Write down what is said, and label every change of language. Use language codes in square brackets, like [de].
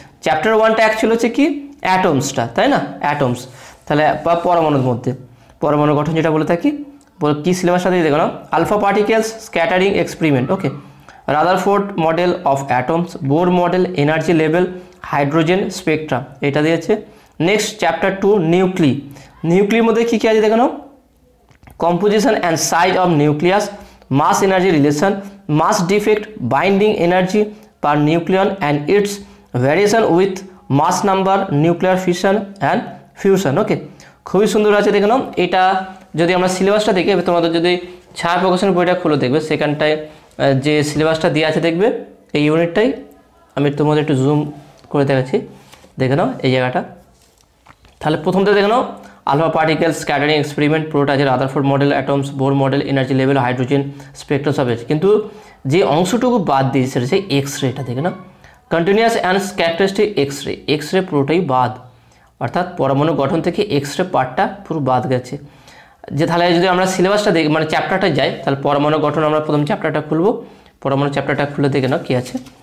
[bn] Chapter 1টা actual হচ্ছে কি, অ্যাটমসটা, তাই না, অ্যাটমস, তাহলে বা পরমাণুর মধ্যে পরমাণু গঠন যেটা বলে থাকি, বল কী সিলেবাসটা দিয়ে দেখে নাও, alpha particles scattering experiment. Okay, [en] Rutherford model of atoms, Bohr model, energy level, hydrogen spectra. [bn] এটা দিয়েছে. [en] Next chapter 2 nuclei. [bn] Nuclei মধ্যে কি কি আছে দেখো না? [en] Composition and size of nucleus, mass energy relation, mass defect, binding energy per nucleon and its variation with mass number, nuclear fission and fusion. [bn] Okay. খুবই সুন্দর আছে দেখো না? এটা যদি আমরা সিলেবাসটা দেখি তোমাদের যদি ছায়া প্রকাশন বইটা খুলে দেখবে সেকেন্ড টাইম যে সিলেবাসটা দেয়া আছে দেখবে এই ইউনিটটাই আমি তোমাদের একটু জুম করে দেখাচ্ছি দেখো না এই জায়গাটা তাহলে প্রথমতে দেখো না আলফা পার্টিকেল স্ক্যাটারিং এক্সপেরিমেন্ট পুরোটা আছে Rutherford model atoms Bohr model energy level hydrogen spectroscopy কিন্তু যে অংশটুকু বাদ দিয়েছে সেটা হচ্ছে এক্সরেটা দেখো না কন্টিনিউয়াস এন্ড স্ক্যাটারিস্টিক এক্সরে এক্সরে পুরোটাই বাদ অর্থাৎ পরমাণু গঠন থেকে এক্সরে পার্টটা পুরো বাদ গেছে যে তাহলে যদি আমরা সিলেবাসটা দেখি মানে চ্যাপ্টারটা যাই তাহলে পরমাণু গঠন আমরা প্রথম চ্যাপ্টারটা খুলবো পরমাণু চ্যাপ্টারটা খুলে দেখে না কি আছে